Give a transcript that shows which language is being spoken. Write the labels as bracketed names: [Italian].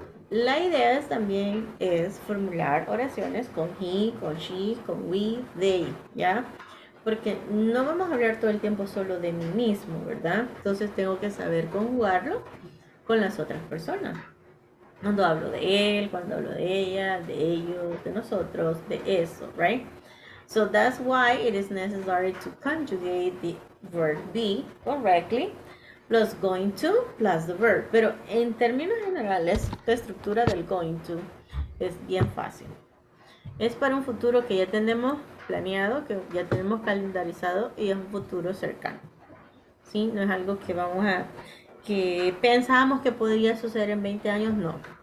[Spanish] La idea es, también es formular oraciones con he, con she, con we, they, ¿ya? Porque no vamos a hablar todo el tiempo solo de mí mismo, ¿verdad? Entonces tengo que saber conjugarlo con las otras personas. Cuando hablo de él, cuando hablo de ella, de ellos, de nosotros, de eso, [English] right? So that's why it is necessary to conjugate the verb be correctly, plus going to, plus the verb. [Spanish] Pero en términos generales, la estructura del going to es bien fácil. Es para un futuro que ya tenemos planeado, que ya tenemos calendarizado y es un futuro cercano. ¿Sí? No es algo que vamos a... que pensábamos que podría suceder en 20 años, no.